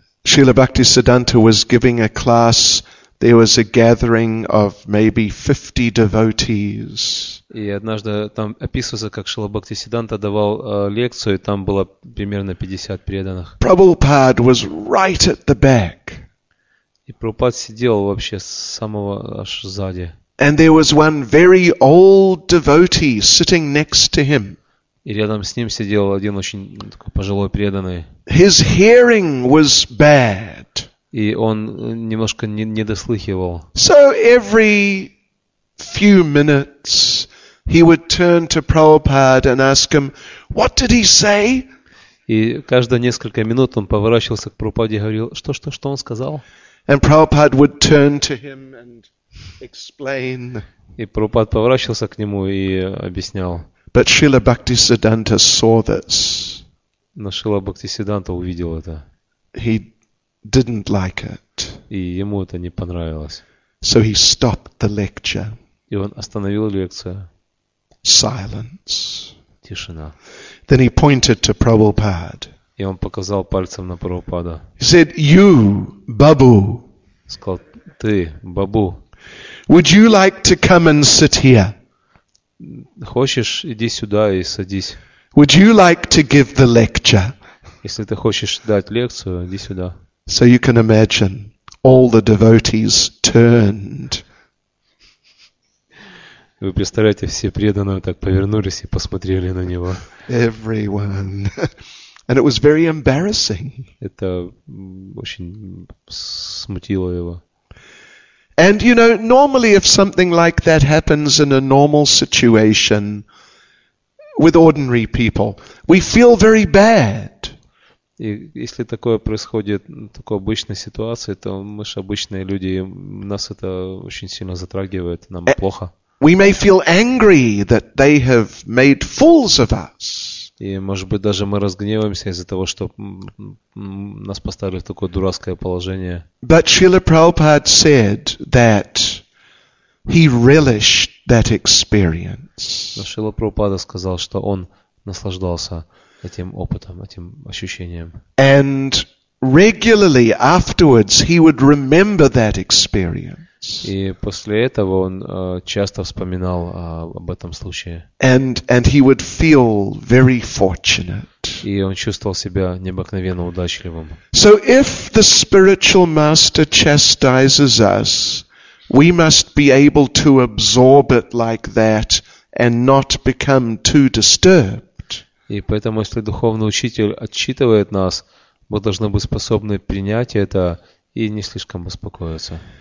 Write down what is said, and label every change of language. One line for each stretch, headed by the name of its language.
English: Srila Bhaktisiddhanta was giving a class. There was a gathering of maybe 50 devotees.
Russian: И однажды там описывается, как Шрила Бхактисиддханта давал лекцию, и там было примерно 50 преданных.
English: Prabhupada was right at the back.
Russian: И Прабхупад сидел вообще с самого аж сзади.
English: And there was one very old devotee sitting next to him.
Russian: И рядом с ним сидел один очень такой пожилой преданный.
English: His hearing was bad.
Russian: И он немножко не дослыхивал.
English: So every few minutes he would turn to Prabhupada and ask him, what did he say?
Russian: И каждые несколько минут он поворачивался к Прабхупаде и говорил, что он сказал?
English: And Prabhupada would turn to him and explain.
Russian: И Прабхупад поворачивался к нему и объяснял.
English: But Srila Bhaktisiddhanta saw this.
Russian: Но Шрила Бхактисиддханта увидел это.
English: He didn't like it.
Russian: И ему это не понравилось.
English: So he stopped the lecture.
Russian: И он остановил лекцию.
English: Silence.
Russian: Тишина.
English: Then he pointed to Prabhupada.
Russian: И он показал пальцем на Прабхупада.
English: He said, "You, Babu."
Russian: Сказал: "Ты, Бабу."
English: Would you like to come and sit here?
Russian: Хочешь, иди сюда и садись.
English: Would you like to give the lecture?
Russian: Если ты хочешь дать лекцию, иди сюда.
English: So you can imagine all the devotees turned.
Russian: Вы представляете, все преданные так повернулись и посмотрели на него.
English: Everyone. And it was very embarrassing.
Russian: Это очень смутило его.
English: And you know, normally if something like that happens in a normal situation with ordinary people, we feel very bad.
Russian: И если такое происходит, такой обычной ситуации, то мы же обычные люди, нас это очень сильно затрагивает, нам плохо.
English: We may feel angry that they have made fools of us.
Russian: И, может быть, даже мы разгневаемся из-за того, что нас поставили в такое дурацкое положение.
English: But Srila Prabhupada said that he relished that experience.
Russian: Но Шрила Прабхупада сказал, что он наслаждался этим опытом, этим ощущением.
English: And regularly afterwards he would remember that experience.
Russian: И после этого он часто вспоминал об этом случае.
English: And he would feel very fortunate.
Russian: И он чувствовал себя необыкновенно удачливым.
English: So if the spiritual master chastises us, we must be able to absorb it like that and not become too disturbed.
Russian: И поэтому, если духовный учитель отчитывает нас, мы должны быть способны принять это и не слишком беспокоиться.